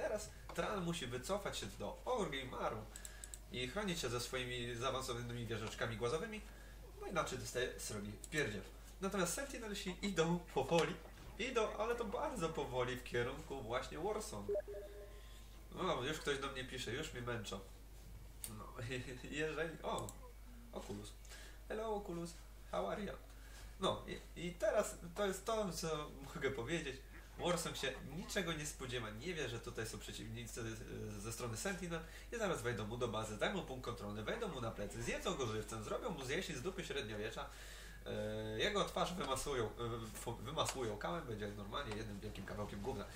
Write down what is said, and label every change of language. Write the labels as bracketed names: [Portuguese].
[Polish] Teraz Thrall musi wycofać się do Orgrimmaru i chronić się ze swoimi zaawansowanymi wieżeczkami głazowymi, bo inaczej dostaje srogi pierdziew. Natomiast Sentinelsi idą powoli, idą, ale to bardzo powoli w kierunku właśnie Warsong. No, już ktoś do mnie pisze, już mi męczą. No, jeżeli... O! Oculus. [English] Hello Oculus, how are you? [Polish] No i teraz to jest to, co mogę powiedzieć. Warsong się niczego nie spodziewa, nie wie, że tutaj są przeciwnicy ze strony Sentinel i zaraz wejdą mu do bazy, dają mu punkt kontrolny, wejdą mu na plecy, zjedzą go żywcem, zrobią mu zjeść z dupy średniowiecza, jego twarz wymasują kamem, będzie normalnie jednym wielkim kawałkiem gówna.